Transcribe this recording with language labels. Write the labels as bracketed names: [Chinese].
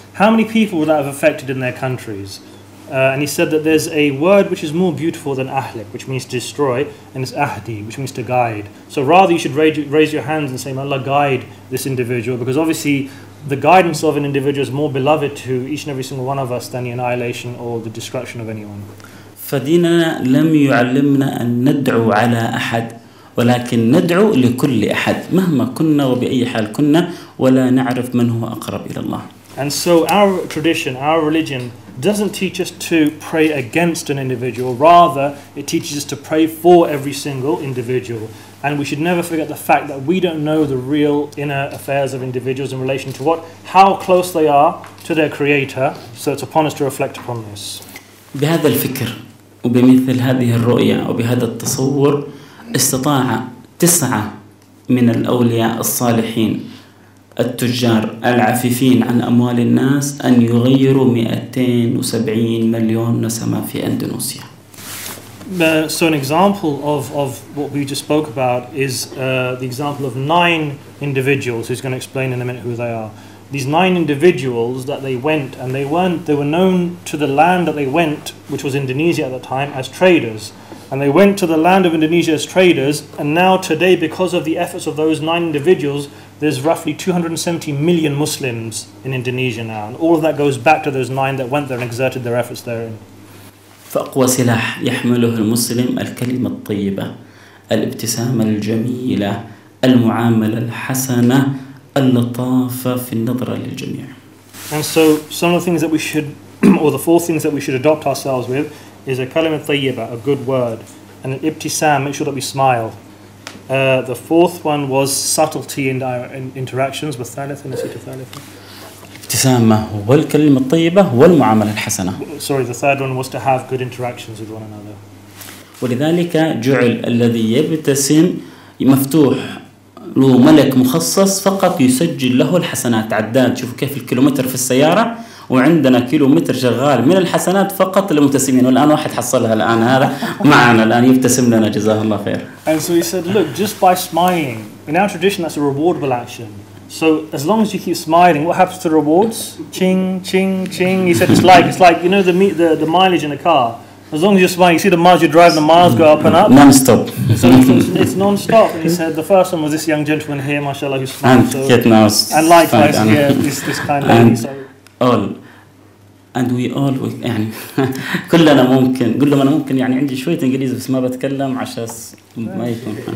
[English] How many people would that have affected in their countries? And he said that there's a word which is more beautiful than ahlik, which means destroy, and it's ahdi, which means to guide. So rather you should raise your hands and say, may Allah guide this individual, because obviously the guidance of an individual is more beloved to each and every single one of us than the annihilation or the destruction of anyone. [Arabic] فديننا لم يعلمنا أن ندعو على أحد ولكن ندعو لكل أحد مهما كنا وبأي حال كنا ولا نعرف من هو أقرب إلى الله. [English] And so our tradition, our religion, doesn't teach us to pray against an individual. Rather, it teaches us to pray for every single individual. And we should never forget the fact that we don't know the real inner affairs of individuals in relation to how close they are to their Creator. So it's upon us to reflect upon this. [Arabic] بهذا الفكر وبمثل هذه الرؤية وبهذا التصور استطاع تسعة من الأولياء الصالحين التجار العفيفين عن أموال الناس أن يغيروا 270 مليون نسمة في أندونيسيا. [English] So an example of what we just spoke about is the example of nine individuals, who's going to explain in a minute who they are. These nine individuals that they went, and they were known to the land that they went, which was Indonesia at the time, as traders. And they went to the land of Indonesia as traders, and now today, because of the efforts of those nine individuals, there's roughly 270 million Muslims in Indonesia now. And all of that goes back to those nine that went there and exerted their efforts therein. [Arabic] فأقوى سلاح يحمله المسلم الكلمة الطيبة الابتسامة الجميلة المعاملة الحسنة اللطافة في النظرة للجميع. [English] And so some of the things that we should, or the four things that we should adopt ourselves with, is a [Arabic] كلمة طيبة, [English] a good word, and an ابتسام, make sure that we smile. The fourth one was subtlety in our interactions. [Arabic] والثالث نسيت الثالث. ابتسامة والكلمة الطيبة والمعاملة الحسنة. [English] Sorry, the third one was to have good interactions with one another. [Arabic] ولذلك جعل الذي يبتسم مفتوح له ملك مخصص فقط يسجل له الحسنات عداد شوف كيف الكيلومتر في السيارة وعندنا كيلومتر شغال من الحسنات فقط للمبتسمين والآن واحد حصلها الآن هذا معنا الآن يبتسم لنا جزاه الله خير. [English] And so he said, look, just by smiling, in our tradition that's a rewardable action. So as long as you keep smiling, what happens to rewards? Ching, ching, ching. He said, it's like you know the mileage in a car. As long as you're smiling, you see the miles you're driving, the miles go up and up. Non-stop. So it's non-stop. And he said, the first one was this young gentleman here, mashallah, who smiled. And likewise, here, this kind of thing. So. All. And we all, [Arabic] يعني كلنا ممكن. قل لهم أنا ممكن يعني عندي شوية إنجليزي بس ما بتكلم عشان ما يكون.